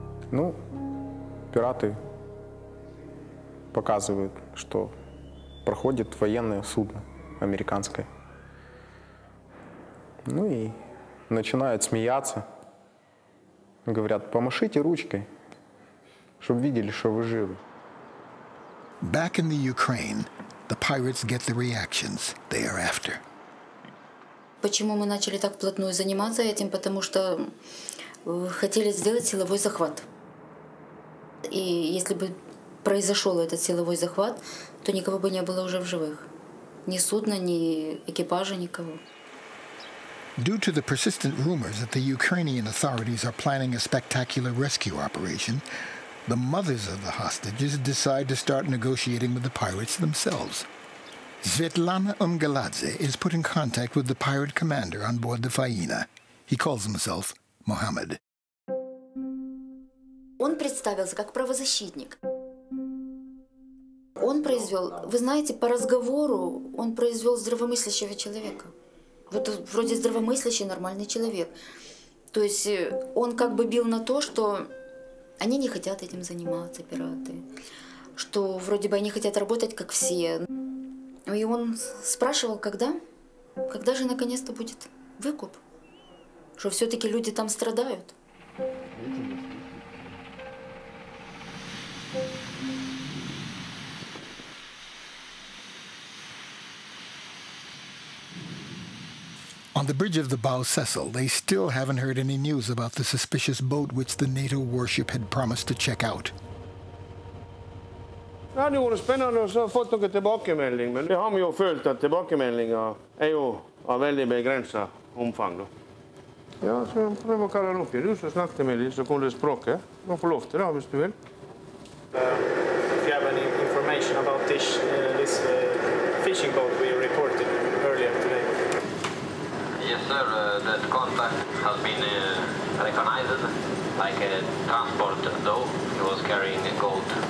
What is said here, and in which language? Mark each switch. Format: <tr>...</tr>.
<ru>Ну, пираты показывают, что проходит военное судно американское. Ну и начинают смеяться. Говорят, помашите ручкой, чтобы видели, что вы живы.</ru> <en>Back in the Ukraine, the pirates get the reactions they are after.</en> <ru>Почему мы начали так плотно заниматься этим? Потому что хотели сделать силовой захват. И если бы произошел этот силовой захват, то никого бы не было уже в живых. Ни судна, ни экипажа, никого.</ru> <en>Due to the persistent rumors that the Ukrainian authorities are planning a spectacular rescue operation, the mothers of the hostages decide to start negotiating with the pirates themselves. Svetlana Umgaladze is put in contact with the pirate commander on board the Faena. He calls himself Mohammed.</en> <ru>Он представился как правозащитник. Он произвел, вы знаете, по разговору, он произвел здравомыслящего человека. Вот вроде здравомыслящий, нормальный человек. То есть он как бы бил на то, что они не хотят этим заниматься, пираты. Что вроде бы они хотят работать, как все. И он спрашивал, когда? Когда же наконец-то будет выкуп? Что все-таки люди там страдают?</ru> <en>On the bridge of the Bow Sessel, they still haven't heard any news about the suspicious boat which the NATO warship had promised to check out.</en> <no>Det har vært spennende å få noen tilbakemelding, men vi har jo følt at tilbakemeldingen er jo av veldig begrenset omfang. Ja, så prøv å kalle den opp igjen. Du som snakket med dem, så kunne det språket. Du får lov til det, hvis du vil.</no> <en>If you have any information about this fishing boat we reported earlier today. Yes, sir. That contact has been recognized like a transport though. It was carrying gold.</en>